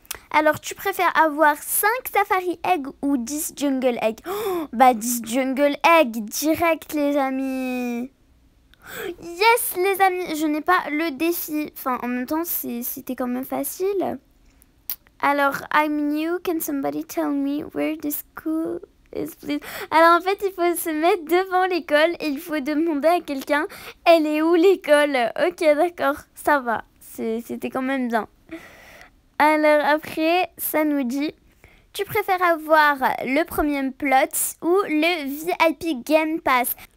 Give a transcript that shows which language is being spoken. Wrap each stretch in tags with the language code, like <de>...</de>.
<fr>Alors, tu préfères avoir 5 safari eggs ou 10 jungle eggs? Oh, bah, 10 jungle eggs direct, les amis. Yes les amis, je n'ai pas le défi. Enfin en même temps c'était quand même facile.</fr> <en>Alors I'm new, can somebody tell me where the school is please?</en> <fr>Alors en fait il faut se mettre devant l'école et il faut demander à quelqu'un, elle est où l'école? Ok d'accord, ça va, c'était quand même bien. Alors après ça nous dit, tu préfères avoir le premium plot ou le VIP game pass?</fr>